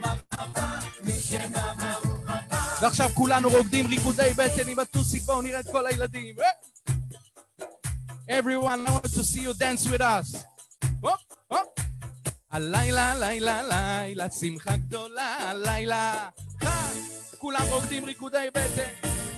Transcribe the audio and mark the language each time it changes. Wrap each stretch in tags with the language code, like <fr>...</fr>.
<he>עכשיו כולנו רוקדים ריקודי בטן עם הטוסי, בואו נראה את כל הילדים.</he> <en>Everyone, I want to see you dance with us.</en> <he>הלילה, לילה, לילה, שמחה גדולה, הלילה. כולם רוקדים ריקודי בטן.</he>